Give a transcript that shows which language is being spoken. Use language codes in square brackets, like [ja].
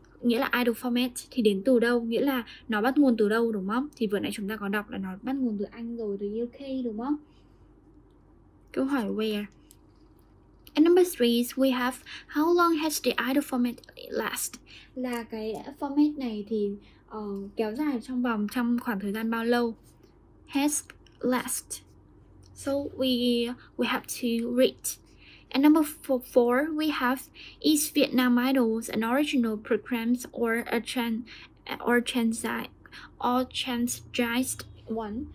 [vi] Nghĩa là idol format thì đến từ đâu, nghĩa là nó bắt nguồn từ đâu, đúng không? Thì vừa nãy chúng ta có đọc là nó bắt nguồn từ Anh rồi, từ UK, đúng không? Câu hỏi where. [en] And number 3 is we have how long has the idol format last? [vi] Là cái format này thì kéo dài trong khoảng thời gian bao lâu? [en] Has last. So we have to read. And number 4, we have is Vietnam Idols an original program or a transgressed one?